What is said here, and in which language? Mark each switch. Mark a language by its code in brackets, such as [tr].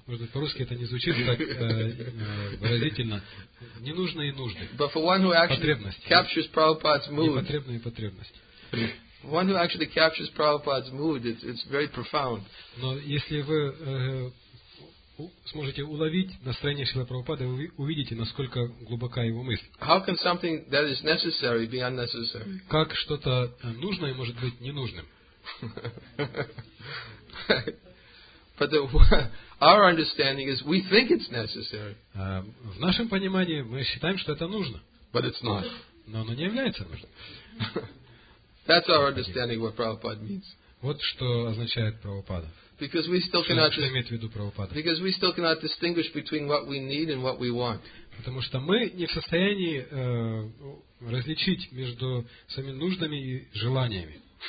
[ru] Может быть, по-русски это не звучит так выразительно. Ненужные нужды. [en] But for one who actually captures Prabhupada's mood. [ru] Непотребные потребности. [en] One who actually captures Prabhupada's mood, it's very profound. [ru] Но если вы сможете уловить настроение Шрилы Прабхупады, вы увидите, насколько глубока его мысль. [en] How can something that is necessary be unnecessary? [ru] Как что-то нужное может быть ненужным? [en] But the, our understanding is we think it's necessary. [ru] В нашем понимании мы считаем, что это нужно. [en] But it's not. [ru] Но оно не является нужным. [en] That's our understanding what Prabhupada means. [ru] Вот что означает Прабхупада. [en] Because we still cannot. [ru] Что имеет в виду Прабхупада? [en] Because we still cannot distinguish between what we need and what we want. [ru] Потому что мы не в состоянии различить между своими нуждами и желаниями.